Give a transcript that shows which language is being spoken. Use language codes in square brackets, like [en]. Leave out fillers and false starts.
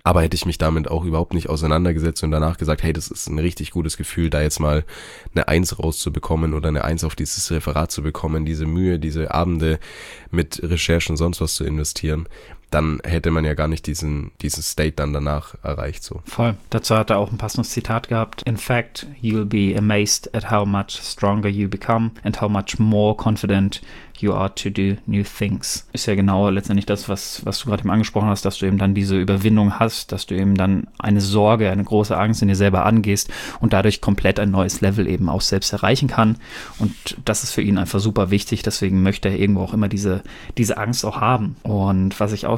[de] Aber hätte ich mich damit auch überhaupt nicht auseinandergesetzt und danach gesagt, hey, das ist ein richtig gutes Gefühl, da jetzt mal eine 1 rauszubekommen oder eine 1 auf dieses Referat zu bekommen, diese Mühe, diese Abende mit Recherchen und sonst was zu investieren, dann hätte man ja gar nicht diesen State dann danach erreicht. So. Voll. Dazu hat er auch ein passendes Zitat gehabt. [en] In fact, you'll be amazed at how much stronger you become and how much more confident you are to do new things. [de] Ist ja genau letztendlich das, was du gerade eben angesprochen hast, dass du eben dann diese Überwindung hast, dass du eben dann eine Sorge, eine große Angst in dir selber angehst und dadurch komplett ein neues Level eben auch selbst erreichen kann. Und das ist für ihn einfach super wichtig. Deswegen möchte er irgendwo auch immer diese Angst auch haben. Und was ich auch